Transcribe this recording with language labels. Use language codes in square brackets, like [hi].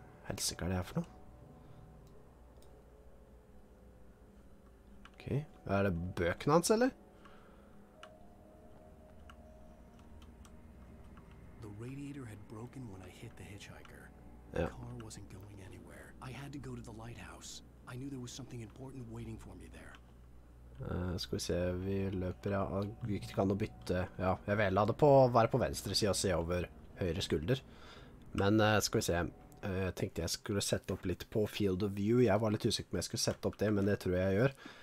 [no] Helse, hva er det her for noe? Ok, er det bøkene hans, eller? [en] The radiator had broken when I hit the hitchhiker. Ja. The car wasn't going anywhere. I had to go to the lighthouse. I knew there was something important waiting for me there. [no] Skal vi se, vi løper, ja. Vi ikke kan bytte. Ja, jeg vil la det på å være på venstre side og se over høyre skulder. Men skal vi se. Jeg tenkte jeg skulle sette opp litt på Field of View. Jeg var litt usikker om jeg skulle sette opp det, men det tror jeg gjør.